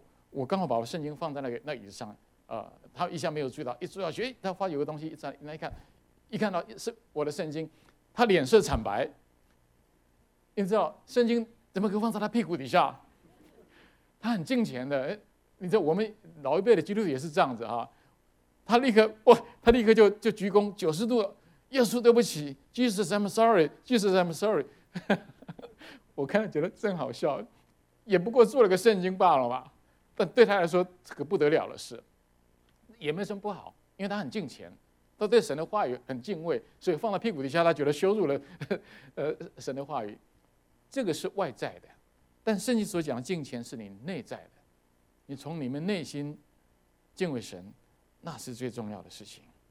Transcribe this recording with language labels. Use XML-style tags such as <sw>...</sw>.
<zh>那 我刚好把我圣经放在那椅子上，他一下没有注意到，一坐下去，他发现有个东西一看到是我的圣经，他脸色惨白。你知道圣经怎么可以放在他屁股底下？他很敬虔的，你知道我们老一辈的基督徒也是这样子哈，他立刻就鞠躬90度。耶稣对不起</zh> <en>，Jesus I'm sorry, Jesus I'm sorry 。</en> <zh>我看了觉得真好笑，也不过做了个圣经罢了嘛。但对他来说可不得了的事，也没什么不好，因为他很敬虔，他对神的话语很敬畏，所以放在屁股底下他觉得羞辱了神的话语。这个是外在的，但圣经所讲的敬虔是你内在的，你从你们内心敬畏神，那是最重要的事情。</zh>